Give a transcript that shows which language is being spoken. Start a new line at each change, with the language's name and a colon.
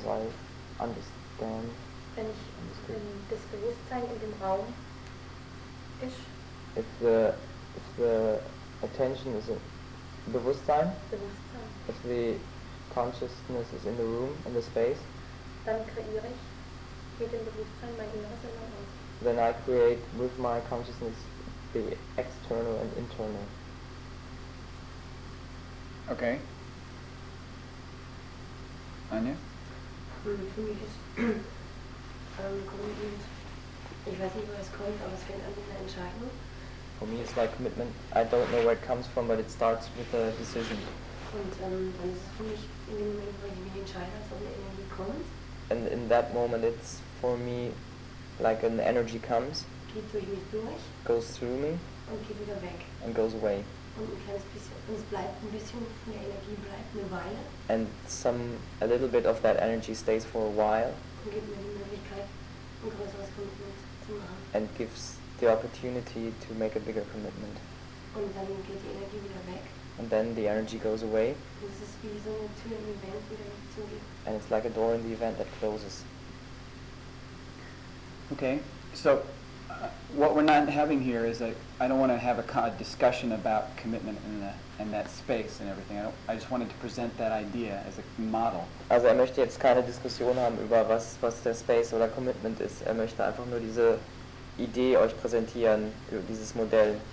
English: As far as I understand.
German: Wenn das Bewusstsein in dem Raum ist.
English: If the attention is in Bewusstsein.
German: Bewusstsein.
English: If the consciousness is in the room, in the space.
German: Dann kreiere ich mit dem Bewusstsein mein inneres und mein Außen.
English: Then I create with my consciousness the external and internal. Okay. Anja?
German: Für mich ist commitment, ich weiß nicht, wo es kommt, aber es fängt an mit einer Entscheidung.
English: For me it's like commitment, I don't know where it comes from, but it starts with a decision.
German: Und dann ist es für mich in dem Moment, wo ich mich entscheide, dass eine Energie kommt.
English: and in that moment it's for me like an energy comes,
German: geht durch mich durch,
English: goes through me
German: und geht wieder weg.
English: And goes away.
German: Und ein kleines bisschen, und es bleibt ein bisschen von der Energie, bleibt eine Weile.
English: And some, a little bit of that energy stays for a while.
German: Und gibt mir die Möglichkeit, ein größeres Commitment zu machen.
English: And gives the opportunity to make a bigger commitment.
German: Und dann geht die Energie wieder weg.
English: And then the energy goes away.
German: Und es ist wie so eine Tür im Event, die dann zugeht.
English: And it's like a door in the event that closes. Okay, so what we're not having here is a, I don't want to have a discussion about commitment in, the, in that space and everything. I just wanted to present that idea as a model.
German: Also er möchte jetzt keine Diskussion haben über was, was der Space oder Commitment ist. Er möchte einfach nur diese Idee euch präsentieren, dieses Modell.